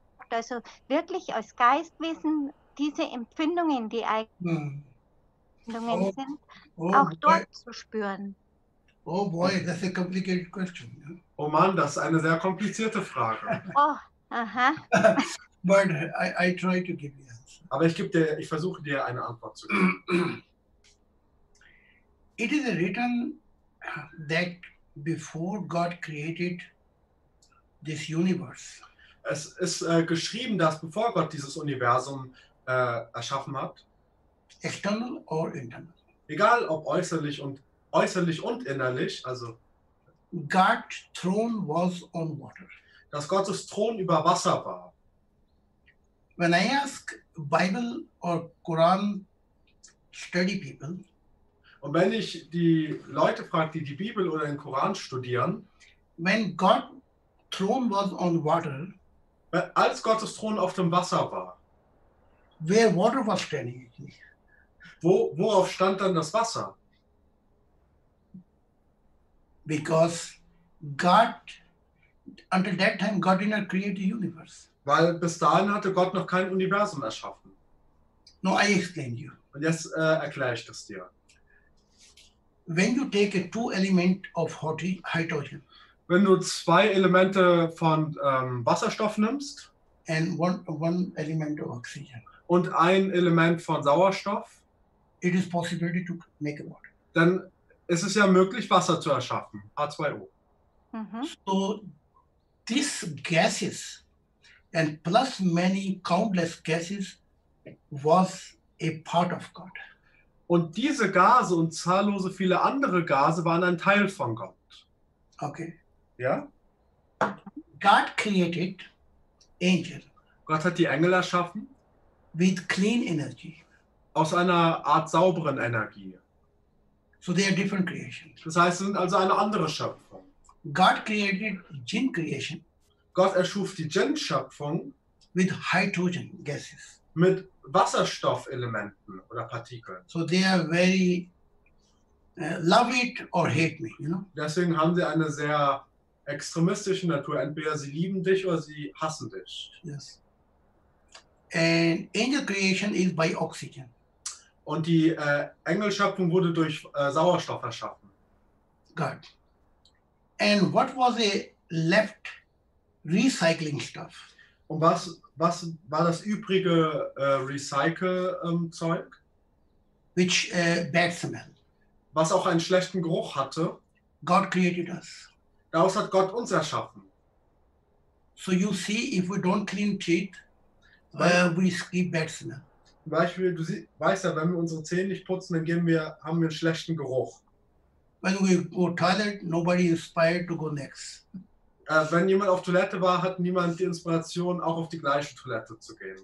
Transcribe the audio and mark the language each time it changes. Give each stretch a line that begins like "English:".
German: Also wirklich als Geistwesen diese Empfindungen, die Empfindungen sind, auch dort zu spüren.
English: Oh boy, that's a complicated question.
German: Oh Mann, das ist eine sehr komplizierte Frage. Oh, aha.
English: But I try to give you an answer.
German: Aber ich versuche dir eine Antwort zu geben.
English: It is written that before God created this universe.
German: Es ist geschrieben, dass bevor Gott dieses Universum erschaffen hat.
English: External or internal.
German: Egal ob äußerlich und innerlich, also
English: God's throne was on water.
German: Dass Gottes Thron über Wasser war.
English: When I ask Bible or Quran study people,
German: und wenn ich die Leute frage, die Bibel oder den Koran studieren,
English: when God's throne was on water,
German: als Gottes Thron auf dem Wasser war,
English: where water was standing?
German: Worauf stand dann das Wasser?
English: Because God, until that time, God did not create the universe.
German: Weil bis dahin hatte Gott noch kein Universum erschaffen.
English: No, I explain you.
German: Und jetzt erkläre ich das dir.
English: When you take a two element of hydrogen,
German: wenn du zwei Elemente von Wasserstoff nimmst,
English: and one element of oxygen,
German: und ein Element von Sauerstoff,
English: it is possible to make a water.
German: Dann ist es ja möglich, Wasser zu erschaffen, H2O. Mm-hmm.
English: So these gases and plus many countless gases was a part of God.
German: Und diese Gase und zahllose viele andere Gase waren ein Teil von Gott. Okay. Ja?
English: God created angel.
German: Gott hat die Engel erschaffen.
English: With clean energy.
German: Aus einer Art sauberen Energie.
English: So they are different creations.
German: Das heißt, sie sind also eine andere Schöpfung.
English: God created jinn creation.
German: Gott erschuf die Jinn-Schöpfung.
English: With hydrogen gases.
German: Mit Wasserstoffelementen oder Partikeln.
English: So they are very love it or hate me, you know?
German: Deswegen haben sie eine sehr extremistische Natur. Entweder sie lieben dich oder sie hassen dich.
English: Yes. And angel creation is by oxygen.
German: Und die Engelschöpfung wurde durch Sauerstoff erschaffen.
English: God. And what was the left recycling stuff?
German: Und was war das übrige Recycle-Zeug?
English: Which bad smell.
German: Was auch einen schlechten Geruch hatte.
English: God created us.
German: Daraus hat Gott uns erschaffen.
English: So you see, if we don't clean teeth, we skip bad smell.
German: Zum Beispiel, du weißt ja, wenn wir unsere Zähne nicht putzen, dann haben wir einen schlechten Geruch.
English: When we go toilet, nobody inspired to go next.
German: Wenn jemand auf Toilette war, hat niemand die Inspiration, auch auf die gleiche Toilette zu gehen.